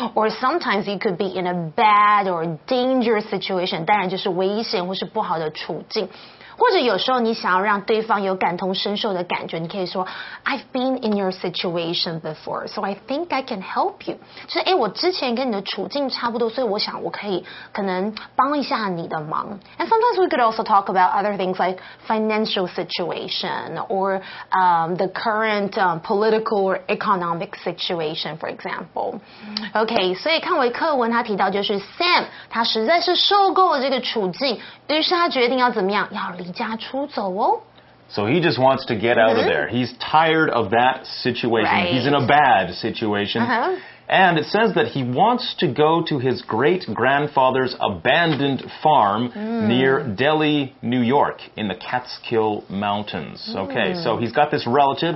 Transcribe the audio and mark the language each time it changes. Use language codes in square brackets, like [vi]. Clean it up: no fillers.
[en] Or sometimes you could be in a bad or dangerous situation. [zh] 当然就是危险或是不好的处境。或者有时候你想要让对方有感同身受的感觉，你可以说 [en] I've been in your situation before, so I think I can help you. [zh] 就是、欸、我之前跟你的处境差不多，所以我想我可以可能帮一下你的忙。 [en] And sometimes we could also talk about other things like financial situation or、the current、political or economic situation, for example. [zh] OK, 所以看回课文他提到就是 Sam 他实在是受够了这个处境，于是他决定要怎么样，要离家出走哦。 [en] So he just wants to get、out of there. He's tired of that situation.、 Right. He's in a bad situation.、And it says that he wants to go to his great-grandfather's abandoned farm、near Delhi, New York, in the Catskill Mountains.、Okay, so he's got this relative.